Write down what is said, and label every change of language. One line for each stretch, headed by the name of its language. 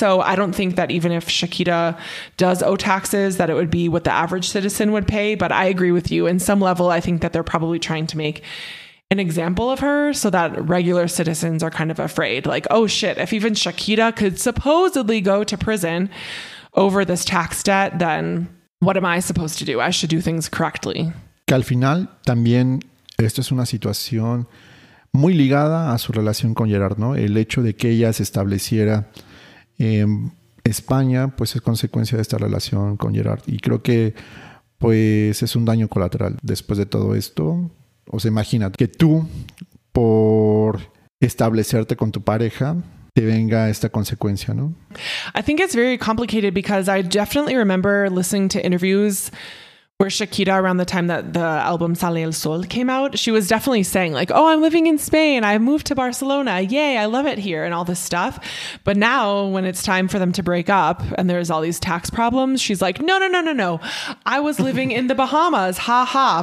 English: So I don't think that even if Shakira does owe taxes, that it would be what the average citizen would pay. But I agree with you. In some level, I think that they're probably trying to make an example of her so that regular citizens are kind of afraid. Like, oh shit, if even Shakira could supposedly go to prison over this tax debt, then what am I supposed to do? I should do things correctly.
Spanish: Que al final también esto es una situación muy ligada a su relación con Gerard, ¿no? El hecho de que ella se estableciera en España, pues es consecuencia de esta relación con Gerard. Y creo que, pues, es un daño colateral después de todo esto. O sea, imagina que tú, por establecerte con tu pareja, te venga esta consecuencia, ¿no?
English: I think it's very complicated because I definitely remember listening to interviews where Shakira, around the time that the album Sale el Sol came out, she was definitely saying like, oh, I'm living in Spain, I moved to Barcelona, yay, I love it here, and all this stuff. But now when it's time for them to break up and there's all these tax problems, she's like, no, I was living in the Bahamas, ha ha.